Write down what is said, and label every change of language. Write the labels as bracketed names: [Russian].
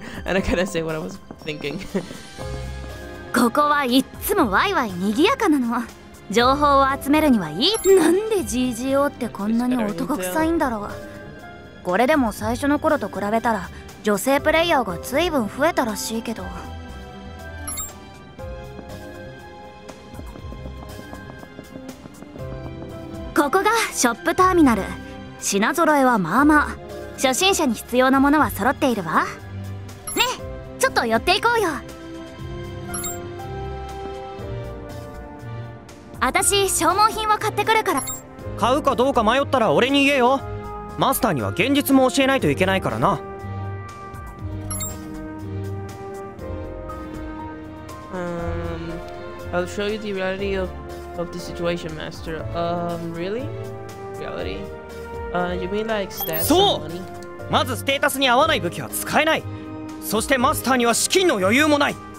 [English] And I gotta say what I was thinking. [Japanese] ここはいっつもワイワイ賑やかなの。情報を集めるにはいい。なんで GGO ってこんなに男臭いんだろう。これでも最初の頃と比べたら女性プレイヤーが随分増えたらしいけど。ここがショップターミナル。品揃えはまあまあ、初心者に必要なものは揃っているわね。ちょっと寄っていこうよ。あたし消耗品を買ってくるから。買うかどうか迷ったら俺に言えよ。マスターには現実も教えないといけないからな。 [English] I'll show you the reality of the situation, Master. Really? Reality? You mean like status? [Japanese] そう！まずステータスに合わない武器は使えない。そしてマスターには資金の余裕もない。